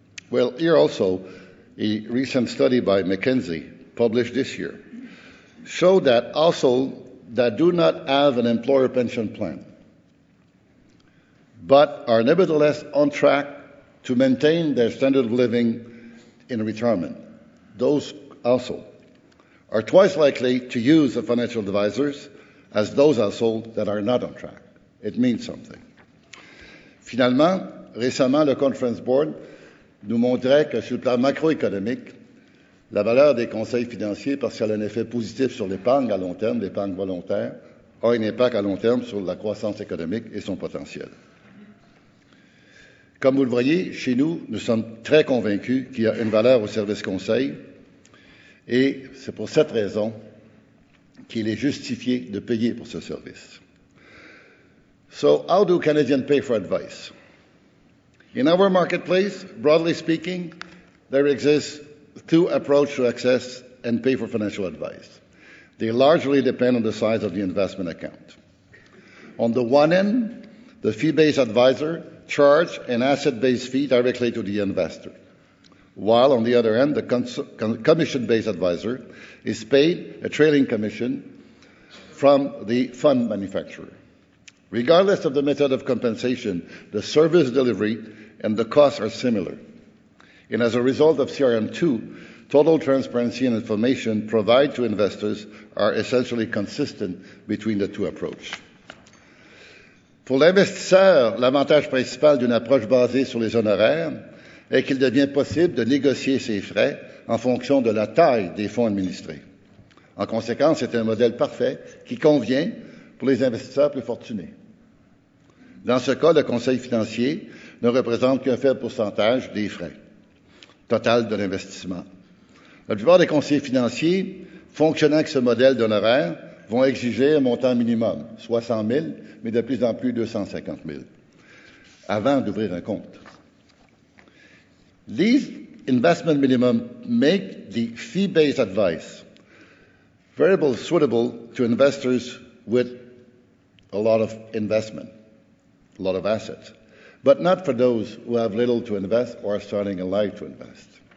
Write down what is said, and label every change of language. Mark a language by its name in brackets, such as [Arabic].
[English] Well, here also, a recent study by McKinsey, published this year, showed that households that do not have an employer pension plan, but are nevertheless on track to maintain their standard of living in retirement, those also are twice likely to use the financial advisors as those households that are not on track. It means something. [French] Finalement, récemment, le Conference Board nous montrait que sur le plan macroéconomique, la valeur des conseils financiers, parce qu'elle a un effet positif sur l'épargne à long terme, l'épargne volontaire, a un impact à long terme sur la croissance économique et son potentiel. Comme vous le voyez, chez nous, nous sommes très convaincus qu'il y a une valeur au service conseil et c'est pour cette raison qu'il est justifié de payer pour ce service. [English] So, how do Canadians pay for advice? In our marketplace, broadly speaking, there exists two approaches to access and pay for financial advice. They largely depend on the size of the investment account. On the one end, the fee-based advisor charge an asset-based fee directly to the investor, while on the other end, the commission-based advisor is paid a trailing commission from the fund manufacturer. Regardless of the method of compensation, the service delivery and the costs are similar. And as a result of CRM2, total transparency and information provided to investors are essentially consistent between the two approaches. [French] Pour l'investisseur, l'avantage principal d'une approche basée sur les honoraires est qu'il devient possible de négocier ses frais en fonction de la taille des fonds administrés. En conséquence, c'est un modèle parfait qui convient pour les investisseurs plus fortunés. Dans ce cas, le conseil financier ne représente qu'un faible pourcentage des frais total de l'investissement. La plupart des conseillers financiers fonctionnant avec ce modèle d'honoraires vont exiger un montant minimum, 60 000, mais de plus en plus 250 000, avant d'ouvrir un compte. [English] These investment minimum make the fee-based advice variable suitable to investors with a lot of investment, a lot of assets, but not for those who have little to invest or are starting a life to invest.